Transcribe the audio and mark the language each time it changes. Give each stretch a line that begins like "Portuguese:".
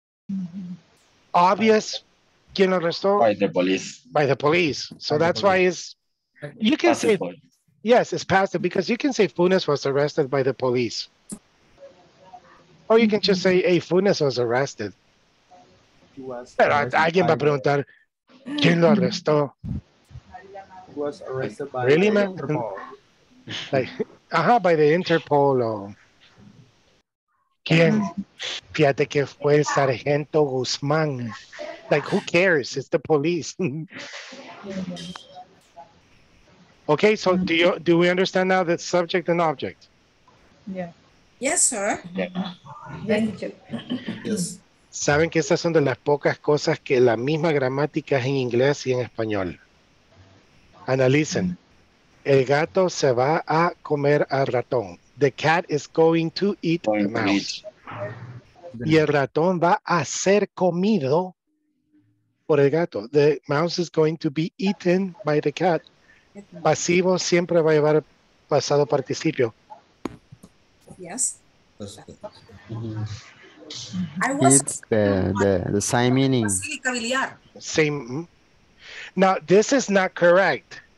Spanish: Mm-hmm. Obvious. ¿Quién lo arrestó?
English: By the police. By the police. So by that's police. Why it's... You can say... Yes, it's passive because you can say Funes was arrested by the police. Or you can just say, hey, Funes was arrested.
Spanish: Pero alguien va a preguntar, ¿quién lo arrestó?
English: He was arrested by really, the man? Interpol. Like, by the Interpol or ¿Quién?
Spanish: Fíjate que fue el Sargento Guzmán.
English: Like, who cares? It's the police. Okay, so do we understand now the subject and object? Yeah. Yes, sir. Yeah. Yes.
Spanish: ¿Saben que esas son de las pocas cosas que la misma gramática es en inglés y en español? Analicen. El gato se va a comer al ratón.
English: The cat is going to eat the mouse.
Spanish: Y el ratón va a ser comido por el gato.
English: The mouse is going to be eaten by the cat.
Spanish: Pasivo siempre va a llevar pasado participio.
English: Yes. Mm-hmm. It's the same meaning. Same. Now, this is not correct.